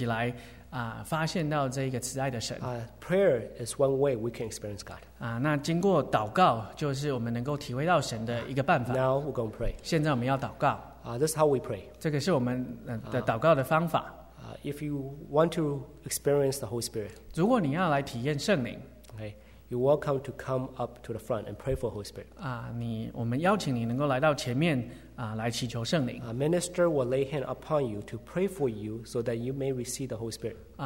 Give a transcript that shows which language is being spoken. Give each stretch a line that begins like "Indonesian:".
Chinese: 所以真的很盼望我们的朋友一起能够一起来发现到这个慈爱的神。
English: Prayer is one way we can experience God.
Chinese: 那经过祷告就是我们能够体会到神的一个办法。
English: Now we're going to pray.
Chinese: 现在我们要祷告。
English: This is how we pray.
Chinese: 这个是我们的祷告的方法。
English: If you want to experience the Holy Spirit,
Chinese: 如果你要来体验圣灵,
English: okay, you're welcome to come up to the front and pray for the Holy Spirit.
Chinese: 我们邀请你能够来到前面来祈求圣灵。
English: Minister will lay hand upon you to pray for you so that you may receive the Holy Spirit.